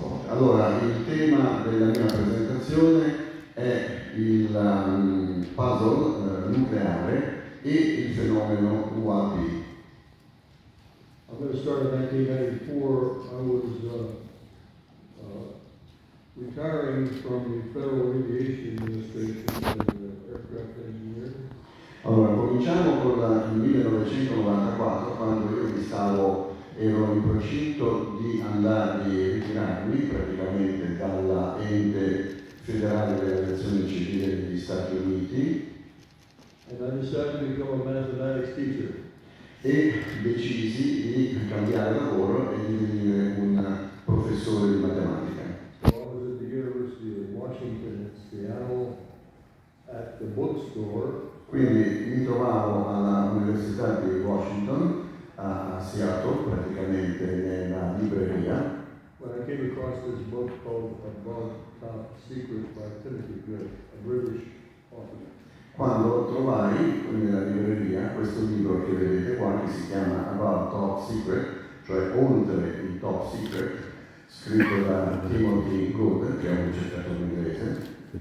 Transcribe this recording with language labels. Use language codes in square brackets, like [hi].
[it] Allora, il tema della mia presentazione è il puzzle nucleare e il fenomeno UAP. [en] I'm going to start in 1994. I was retiring from the Federal Aviation Administration as an aircraft engineer. [it] Allora, cominciamo con il 1994, quando io mi stavo, ero in procinto di andare e ritirarmi praticamente dalla ente federale delle aviazioni civile degli Stati Uniti. [en] And I decided to become a mathematics teacher. [it] E decisi di cambiare lavoro e di divenire un professore di matematica. [en] I was at the University of Washington in Seattle at the bookstore. [it] Quindi mi trovavo all'Università di Washington, a Seattle, praticamente nella libreria. [en] When I came across this book called Above Top Secret by Timothy Gray, a British author. [it] Quando trovai nella libreria questo libro che vedete qua, che si chiama Above Top Secret, cioè Oltre il Top Secret, scritto da Timothy Good, che è un ricercatore inglese.